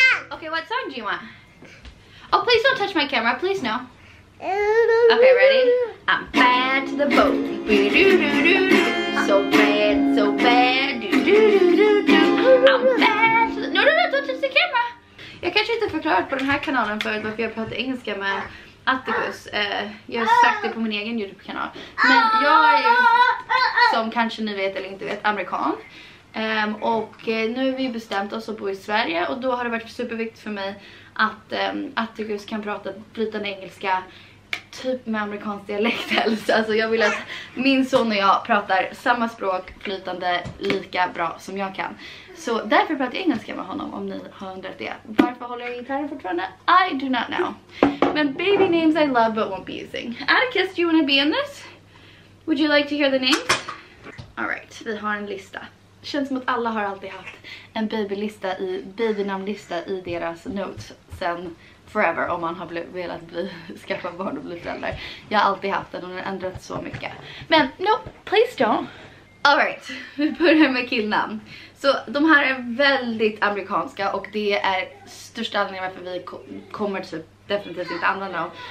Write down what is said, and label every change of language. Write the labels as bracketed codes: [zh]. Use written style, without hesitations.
[en] Okay, what song do you want? Oh, please don't touch my camera. Please, no. Okay, ready? I'm bad to the bone. So bad, so bad. I'm bad to the... No, no, no, don't touch the camera. [sv] Jag kanske inte förklarat på den här kanalen förut varför jag pratar engelska med Atticus. Jag har sagt det på min egen YouTube-kanal. Men jag är ju, som kanske ni vet eller inte vet, amerikan. Och nu har vi bestämt oss att bo i Sverige och då har det varit superviktigt för mig att Atticus kan prata flytande engelska typ med amerikansk dialekt. Alltså jag vill att min son och jag pratar samma språk flytande lika bra som jag kan. Så därför pratar jag engelska med honom, om ni har undrat det. Varför håller jag gitarren fortfarande? [en] I do not know. Men baby names I love but won't be using. Atticus, do you want to be in this? Would you like to hear the names? All right, [sv] vi har en lista. Känns som att alla har alltid haft en babylista i babynamnlista i deras notes sen forever, om man har velat bli skaffa barn och bli föräldrar. Jag har alltid haft den och den har ändrat så mycket. Men [en] no, please don't. All right, [sv] vi börjar med killnamn. Så de här är väldigt amerikanska och det är största anledningen varför vi kommer typ definitivt inte använda dem.